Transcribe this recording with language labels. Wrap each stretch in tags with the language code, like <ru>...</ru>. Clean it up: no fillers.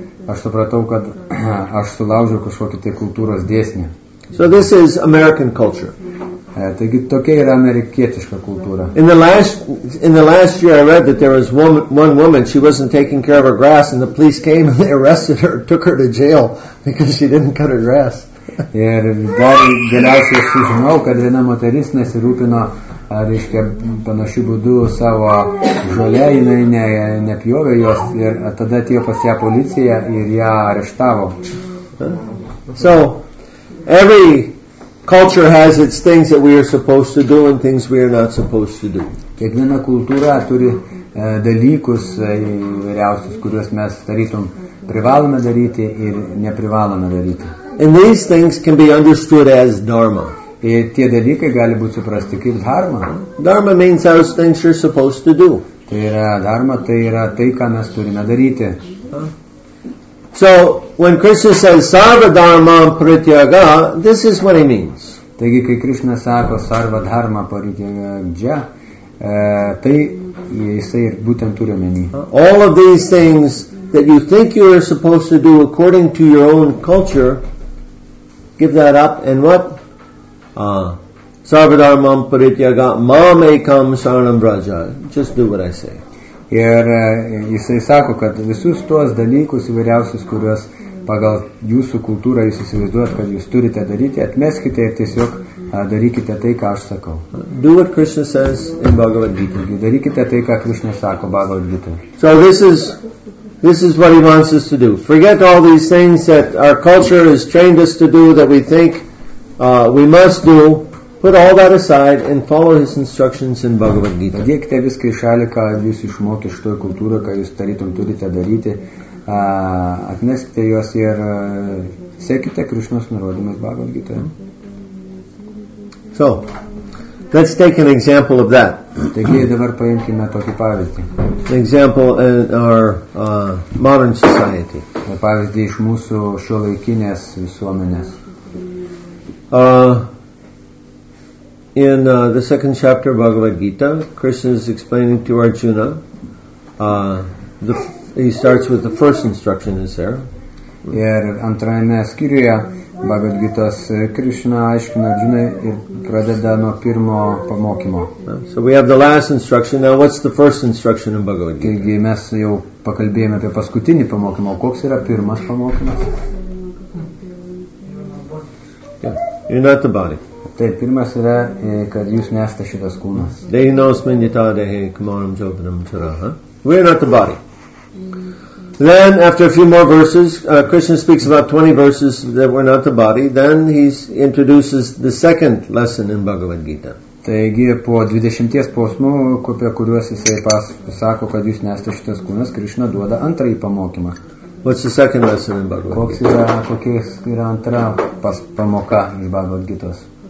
<lt>aš supratau, kad aš sulaužiau kažkokį tai kultūros dėsnį.</lt> <en>So this is American culture.</en> <lt>Taigi tokia yra amerikietiška kultūra.</lt> <en>In the last year I read that there was one woman, she wasn't taking care of her grass and the police came and they arrested her, took her to jail because she didn't cut her grass.</en> <lt>Ir dar galiausiai aš sužinau, kad viena moteris nesirūpino, reiškia, panašių būdų savo žolę, jinai nepjovė jos ir tada atėjo pas ją policija ir ją areštavo.</lt> <en>So, every culture has its things that we are supposed to do and things we are not supposed to do.</en> <lt>Kiekviena kultūra turi dalykus įvairiausius, kuriuos mes tarytum privalome daryti ir neprivalome daryti.</lt> <en>And these things can be understood as dharma.</en> <lt>Ir tie dalykai gali būti suprasti kaip dharma.</lt> <en>Dharma means those things you're supposed to do.</en> <lt>Tai yra dharma, tai yra tai, ką mes turime daryti.</lt> <en>So, when Krishna says</en> <sa>sarva dharma parityaga,</sa> <en>this is what he means.</en> <lt>Taigi, kai Krishna sako</lt> <sa>sarva dharma parityaga,</sa> <lt>tai jisai ir būtent turi omeny.</lt> <en>All of these things that you think you are supposed to do according to your own culture, give that up, and what?</en> <sa>Sarvadharmam parityaga mam ekam saranam braja.</sa> <en>Just do what I say.</en> <lt>Ir jisai sako, kad visus tuos dalykus įvairiausius, kuriuos pagal jūsų kultūrą jūs įsivaizduojat, kad jūs turite daryti, atmeskite ir tiesiog darykite tai, ką aš sakau.</lt> <en>Do what Krishna says in Bhagavad Gita.</en> <lt>Darykite tai, ką Krishna sako Bhagavad Gita.</lt> <en>So this is what he wants us to do. Forget all these things that our culture has trained us to do that we think we must do. Put all that aside and follow his instructions in Bhagavad Gita.</en> <lt>Padėkite viską į šalį, ką jūs išmokė šitoje kultūroje, ką jūs tarytum turite daryti. Atneskite juos ir sekite Krišnos nurodymus Bhagavad Gita.</lt> <en>So, let's take an example of that.</en> <lt>Taigi dabar paimkime tokį pavyzdį.</lt> <en>An example in our modern society.</en> <lt>Pavyzdį iš mūsų šiuolaikinės visuomenės.</lt> <en>In the second chapter of Bhagavad Gita, Krishna is explaining to Arjuna, he starts with the first instruction is there.</en> <lt>Ir antrajame skyriuje Bhagavad Gitas Krishna aiškina Arjunai ir pradeda nuo pirmo pamokymo.</lt> <en>So we have the last instruction, now what's the first instruction in Bhagavad Gita?</en> <lt>Taigi mes jau pakalbėjome apie paskutinį pamokymą, koks yra pirmas pamokymas?</lt> <en>Yeah. You're not the body.</en> <lt>Taip, pirmas yra, kad jūs nesate šitas kūnas.</lt> <sa>Deinos minyata dehi kumaram jopinam taraha.</sa> <en>We're not the body. Then, after a few more verses, Krishna speaks about 20 verses that were not the body. Then he introduces the second lesson in Bhagavad Gita.</en> <lt>Taigi, po 20 posmų, apie kuriuos jisai pasako, kad jūs nesate šitas kūnas, Krishna duoda antrąjį pamokymą.</lt> <en>What's the second lesson in Bhagavad Gita?</en> <lt>Kokia yra antra pamoka iš Bhagavad Gitos?</lt>